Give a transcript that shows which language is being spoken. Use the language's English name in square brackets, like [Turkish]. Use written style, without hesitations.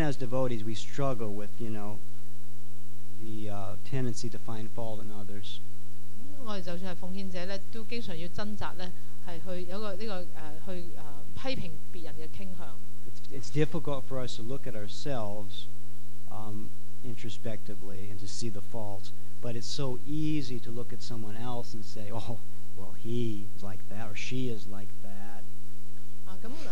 [English] as devotees, we struggle with, you know, the tendency to find fault in others. [Chinese] 我們就算是奉獻者，都經常要掙扎去批評別人的傾向。 [English] It's difficult for us to look at ourselves introspectively and to see the faults, but it's so easy to look at someone else and say, oh, well, he is like that or she is like that.